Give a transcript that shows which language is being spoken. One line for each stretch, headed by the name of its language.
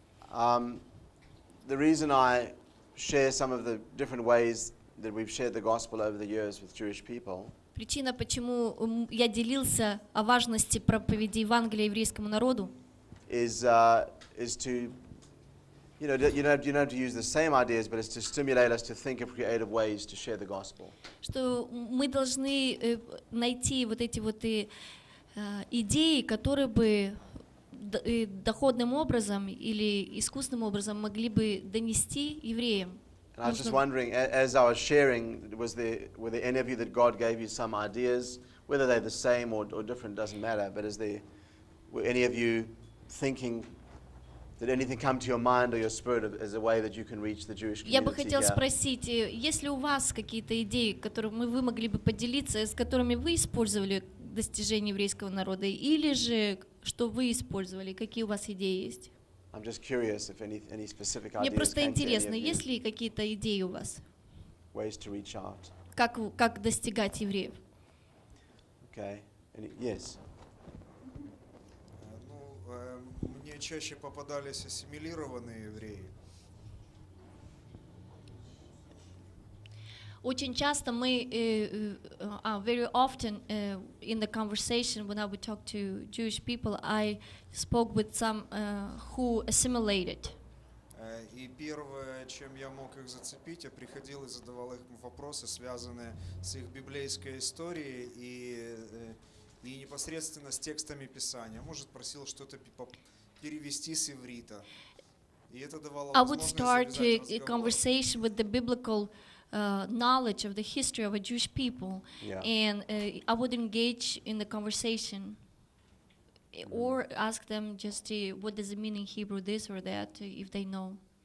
English: the reason I share some of the different ways that we've shared the gospel over the years with Jewish people.
Russian: Причина, почему я делился о важности проповеди Евангелия еврейскому народу,
English: is to, you know, to use the same ideas, but it's to stimulate us to think of creative ways to share the gospel.
Russian: Что мы должны найти вот эти вот идеи, которые бы доходным образом или искусным образом могли бы донести евреям.
English: And I was just wondering, as I was sharing, were there any of you that God gave you some ideas, whether they're the same or different, doesn't matter, but were any of you thinking, did anything come to your mind or your spirit as a way that you can reach the Jewish community?
Russian: Я бы хотел спросить, есть ли у вас какие-то идеи, которыми вы могли бы поделиться, с которыми вы использовали достижение еврейского народа, или же что вы использовали, какие у вас идеи есть?
English: I'm just curious if any specific ideas.
Russian: Мне просто интересно, есть ли какие-то идеи у вас?
English: Ways to reach out.
Russian: Как достигать евреев?
English: Okay. Yes.
Russian: Ну, мне чаще попадались ассимилированные евреи. Очень часто мы
English: very often in the conversation when I would talk to Jewish people, I spoke with some who assimilated.
Russian: И первое, чем я мог их зацепить, я приходил и задавал им вопросы, связанные с их библейской историей и непосредственно с текстами Писания. Может, просил что-то перевести с иврита. И это давало возможность завязать разговор.
English: I would start a conversation with the biblical knowledge of the history of a Jewish people, yeah. And I would engage in the conversation or ask them just what does it mean in Hebrew, this or that, if they know.